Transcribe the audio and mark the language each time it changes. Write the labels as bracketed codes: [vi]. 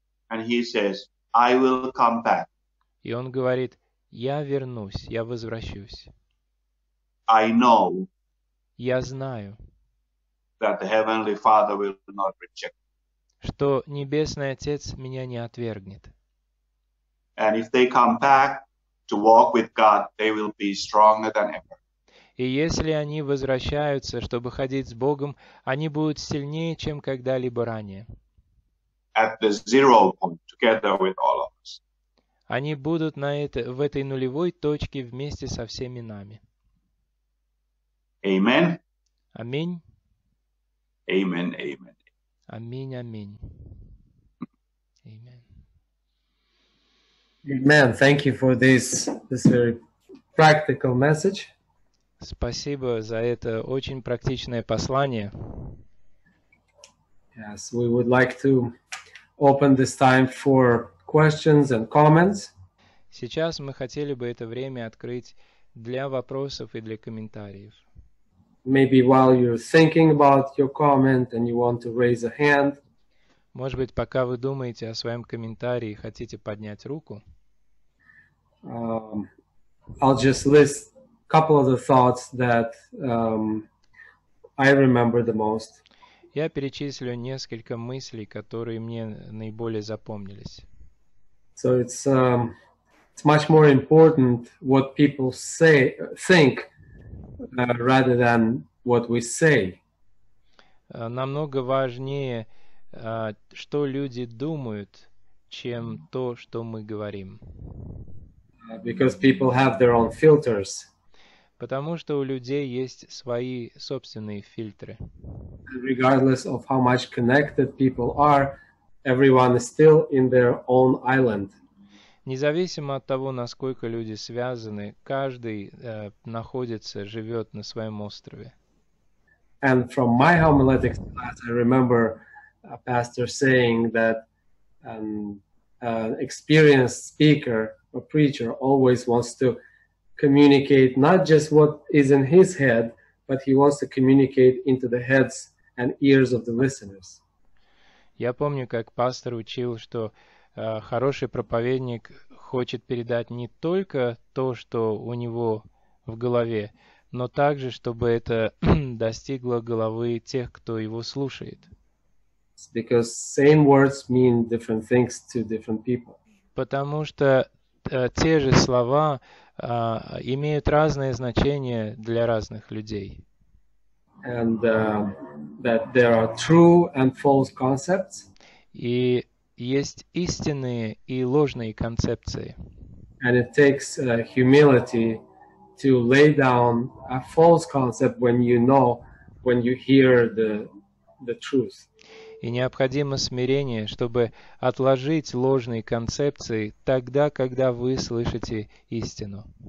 [en] And he says, I will come back. [ru] И он говорит, я вернусь, я возвращусь. [en] I know. [ru] Я знаю. [en] That the Heavenly Father will not reject. [ru] Что Небесный Отец меня не отвергнет. [en] And if they come back to walk with God, they will be stronger than ever. [ru] И если они возвращаются, чтобы ходить с Богом, они будут сильнее, чем когда-либо ранее. [en] At the zero point, together with all of us. [ru] Они будут в этой нулевой точке вместе со всеми нами. [en] Amen. [ru] Аминь. [en] Amen, amen. [ru] Аминь, аминь. [en] Amen. Amen. Thank you for this very practical message. [ru] Спасибо за это очень практичное послание. [en] Yes, we would like to open this time for questions and comments. [ru] Сейчас мы хотели бы это время открыть для вопросов и для комментариев. [en] Maybe while you're thinking about your comment and you want to raise a hand. [ru] Может быть, пока вы думаете о своем комментарии и хотите поднять руку. [en] I'll just list a couple of the thoughts that I remember the most. [ru] Я перечислю несколько мыслей, которые мне наиболее запомнились. [en] So it's much more important what people say, think, rather than what we say. [ru] Намного важнее, что люди думают, чем то, что мы говорим. [en] Because people have their own filters. [ru] Потому что у людей есть свои собственные фильтры. [en] Regardless of how much connected people are, everyone is still in their own island. [ru] Независимо от того, насколько люди связаны, каждый находится, живет на своем острове. [en] And from my homiletics class, I remember a pastor saying that an experienced speaker or preacher always wants to communicate not just what is in his head, but he wants to communicate into the heads and ears of the listeners. [ru] Я помню, как пастор учил, что хороший проповедник хочет передать не только то, что у него в голове, но также, чтобы это достигло головы тех, кто его слушает. [en] Because same words mean different things to different people. [ru] Потому что те же слова имеют разное значение для разных людей. [en] And that there are true and false concepts. [ru] И есть истинные и ложные концепции. [en] And it takes humility to lay down a false concept when you know, when you hear the truth. [ru] И необходимо смирение, чтобы отложить ложные концепции тогда, когда вы слышите истину.